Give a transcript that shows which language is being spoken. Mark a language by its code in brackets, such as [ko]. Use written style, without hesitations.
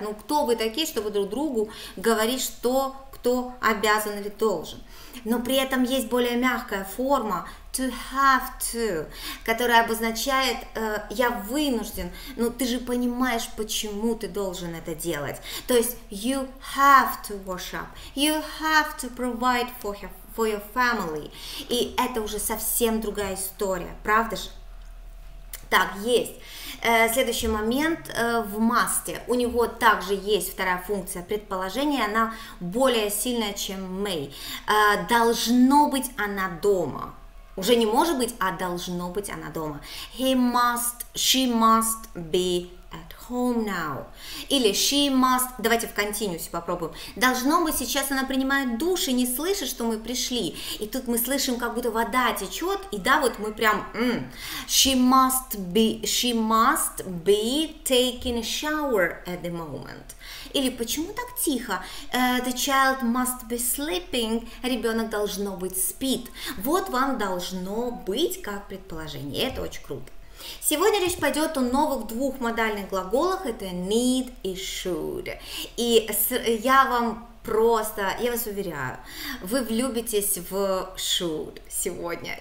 [ru] Ну, кто вы такие, чтобы друг другу говорить, что кто обязан или должен? Но при этом есть более мягкая форма to have to, которая обозначает я вынужден, но ты же понимаешь, почему ты должен это делать. То есть [en] you have to wash up, you have to provide for your family. [ru] И это уже совсем другая история, правда же? Так, есть. Следующий момент в must-е. У него также есть вторая функция предположения, она более сильная, чем may. Должно быть она дома. Уже не может быть, а должно быть она дома. [en] He must, she must be at home now. [ru] Или [en] she must, [ru] давайте в continuous попробуем. Должно быть, сейчас она принимает душ и не слышит, что мы пришли. И тут мы слышим, как будто вода течет, и да, вот мы прям... [en] She must be taking a shower at the moment. [ru] Или почему так тихо? [en] The child must be sleeping. [ru] Ребенок должно быть спит. Вот вам должно быть как предположение. Это очень круто. Сегодня речь пойдет о новых двух модальных глаголах, это need и should. И я вам просто, я вас уверяю, вы влюбитесь в should сегодня.